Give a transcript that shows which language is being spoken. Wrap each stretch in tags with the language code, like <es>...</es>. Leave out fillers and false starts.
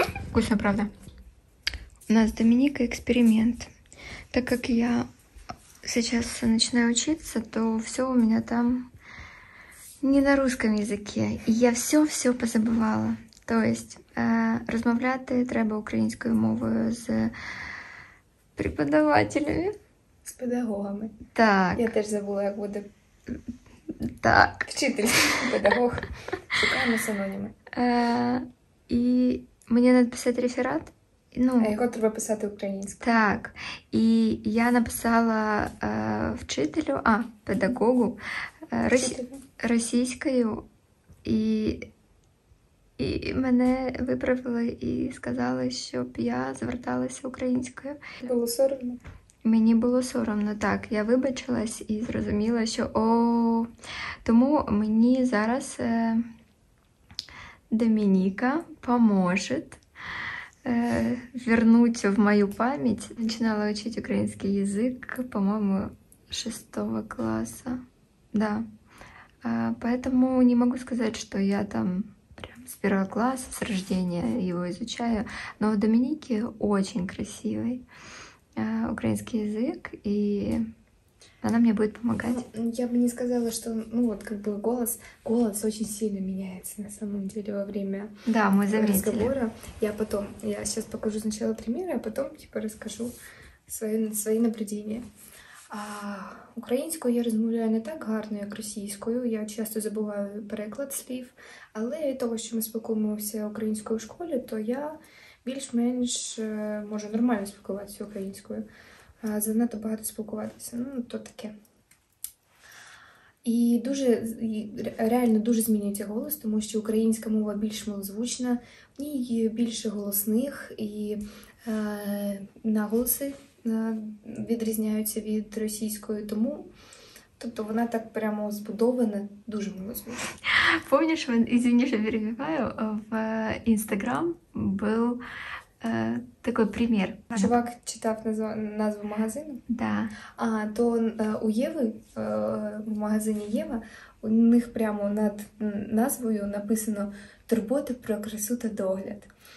<ru>Вкусно, правда? У нас с Доминикой эксперимент. Так как я сейчас начинаю учиться, то все у меня там не на русском языке. И я все позабывала. То есть</ru> <uk>розмовляти треба українською мовою з преподавателями.</uk> <ru>С педагогами.</ru> <uk>Так. Я теж забула, як буде. Так. Вчитель, педагог. Шукаємо синоніми.</uk> <ru>И мне надо писать реферат. Ну, а его</ru> <uk>треба писати українською. Так.</uk> <ru>И я написала</ru> <uk>вчителю, педагогу, російською. И мене виправили і сказали, щоб я зверталася українською. Було соромно. Мені було соромно, так. Я вибачилась і зрозуміла, що тому мені зараз</uk> <ru>Доминика поможет вернуть в мою память. Начинала учить украинский язык, по-моему, 6 класса. Да. Поэтому не могу сказать, что я там прям с 1 класса, с рождения его изучаю. Но у Доминики очень красивый украинский язык, и она мне будет помогать. Я бы не сказала, что, ну, вот, как бы голос очень сильно меняется на самом деле во время разговора. Я сейчас покажу сначала примеры, а потом, типа, расскажу, свои наблюдения.</ru> <uk>А українською я розмовляю не так гарно, як російською. Я часто забуваю переклад слів. Але від того, що ми спілкуємося українською в школі, то я більш-менш можу нормально спілкуватися українською. А занадто багато спілкуватися. Ну, то таке. І дуже реально дуже змінюється голос, тому що українська мова більш малозвучна, в ній більше голосних, і наголоси відрізняються від російської, тому тобто вона так прямо збудована, дуже малозвучна.</uk> <ru>Помніш, извиніше, перебиваю, в Instagram був такой пример.</ru> <uk>Чувак читав назву магазину?</uk> <ru>Да.</ru> <uk>А, то у Єви, в магазині Єва, у них прямо над назвою написано «Турбота про красу та догляд».</uk>